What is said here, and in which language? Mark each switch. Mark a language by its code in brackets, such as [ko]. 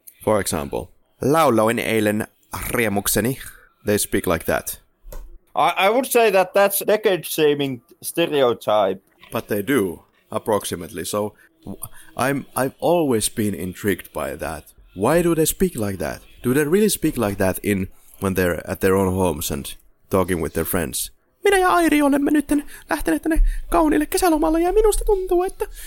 [en] For example, [fi] lauloin eilen riemukseni. [en] They speak like that. I would say that that's decade-shaming stereotype. But they do, approximately. So I've always been intrigued by that. Why do they speak like that? Do they really speak like that in when they're at their own homes and talking with their friends? [fi] Minä ja Airi olemme nyt lähteneet tänne kauniille kesälomalle ja minusta tuntuu, että...